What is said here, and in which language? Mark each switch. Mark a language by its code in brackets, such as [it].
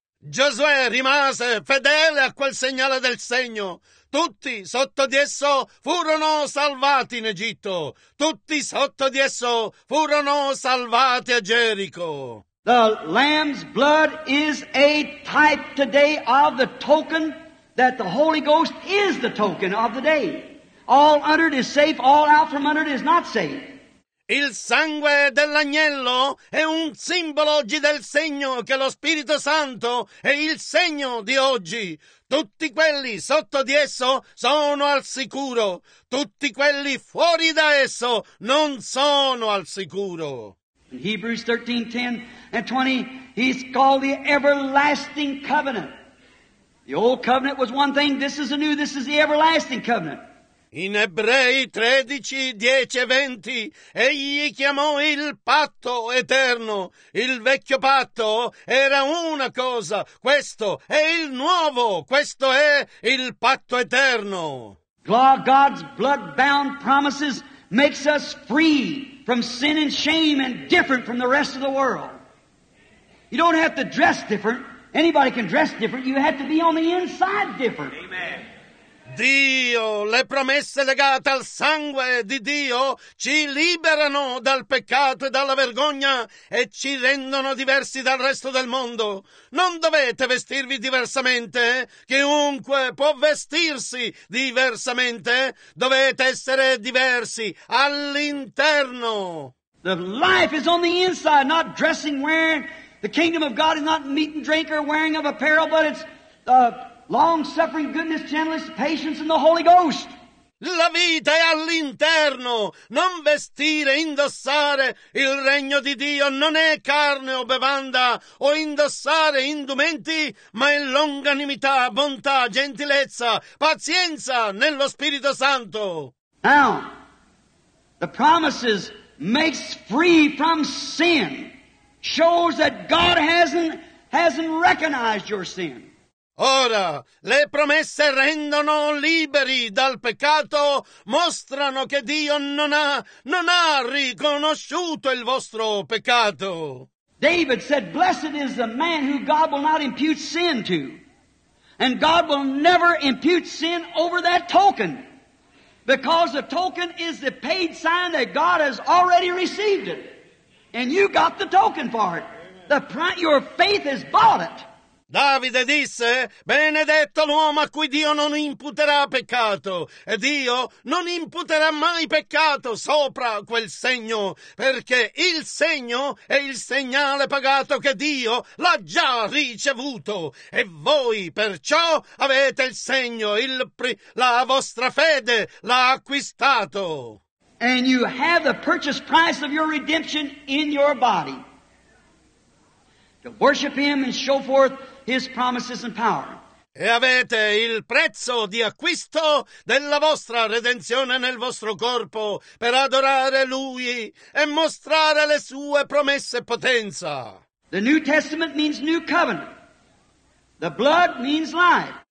[it] Giosuè rimase fedele a quel segnale del segno. Tutti sotto di esso furono salvati in Egitto. Tutti sotto di esso furono salvati a Gerico. [en] The Lamb's blood is a type today of the token that the Holy Ghost is the token of the day. All under it is safe, all out from under it is not safe. [it] Il sangue dell'agnello è un simbolo oggi del segno che lo Spirito Santo è il segno di oggi. Tutti quelli sotto di esso sono al sicuro. Tutti quelli fuori da esso non sono al sicuro. [en] In Hebrews 13:10-20, he's called the everlasting covenant. The old covenant was one thing, this is a new, this is the everlasting covenant. [it] In Ebrei 13:10-20, egli chiamò il patto eterno. Il vecchio patto era una cosa, questo è il nuovo, questo è il patto eterno. [en] God's blood-bound promises makes us free from sin and shame and different from the rest of the world. You don't have to dress different Anybody can dress different. You have to be on the inside different. Amen. [it] Dio, le promesse legate al sangue di Dio ci liberano dal peccato e dalla vergogna e ci rendono diversi dal resto del mondo. Non dovete vestirvi diversamente. Chiunque può vestirsi diversamente. Dovete essere diversi all'interno. [en] The life is on the inside, not dressing, wearing. The kingdom of God is not meat and drink or wearing of apparel, but it's long-suffering, goodness, gentleness, patience, and the Holy Ghost. [it] La vita è all'interno. Non vestire, indossare il regno di Dio. Non è carne o bevanda o indossare indumenti, ma è longanimità, bontà, gentilezza, pazienza nello Spirito Santo. [en] Now, the promises makes free from sin. Shows that God hasn't recognized your sin. [it] Ora, le promesse rendono liberi dal peccato, mostrano che Dio non ha riconosciuto il vostro peccato. [en] David said, blessed is the man who God will not impute sin to. And God will never impute sin over that token. Because the token is the paid sign that God has already received it. And you got the token for it. Your faith has bought it. [it] Davide disse, benedetto l'uomo a cui Dio non imputerà peccato, e Dio non imputerà mai peccato sopra quel segno, perché il segno è il segnale pagato che Dio l'ha già ricevuto, e voi perciò avete il segno, la vostra fede l'ha acquistato. [en] And you have the purchase price of your redemption in your body. To worship Him and show forth His promises and power. [it] E avete il prezzo di acquisto della vostra redenzione nel vostro corpo per adorare Lui e mostrare le sue promesse e potenza. [en] The New Testament means new covenant. The blood means life.